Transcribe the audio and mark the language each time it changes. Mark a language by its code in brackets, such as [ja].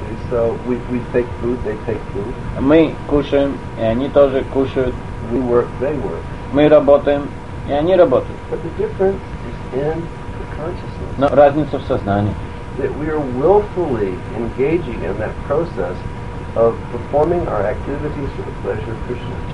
[en] So we take food, they take food. [ru] Мы кушаем, и они тоже кушают. [en] We work, they work. [ru] Мы работаем, и они работают. [en] But the difference is in the consciousness. [ru] Но разница в сознании. [en] That we are willfully engaging in that process of performing our activities for the pleasure of Krishna.